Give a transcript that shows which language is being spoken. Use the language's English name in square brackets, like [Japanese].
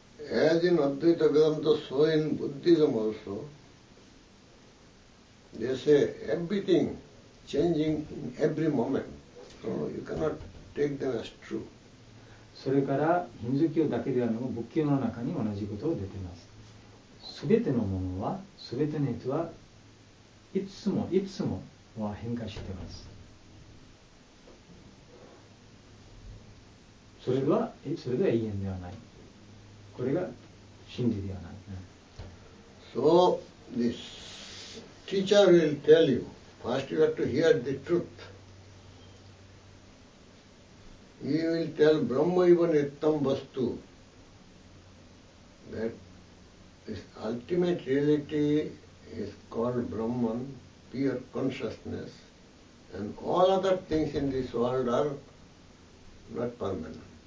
[English] As in Advaita Vedanta, so in Buddhism also, they say everything. Changing in every moment, so you cannot take them as true. [Japanese] それからヒンズー教だけではなく仏教の中に同じことが出ています。すべてのものは、すべての人はいつも変化しています。それでは永遠ではない。これが真理ではない。 [English] So this teacher will tell you. First you have to hear the truth. He will tell [Sanskrit] Brahma eva nityam vastu [English] that this ultimate reality is called Brahman, pure consciousness, and all other things in this world are not permanent.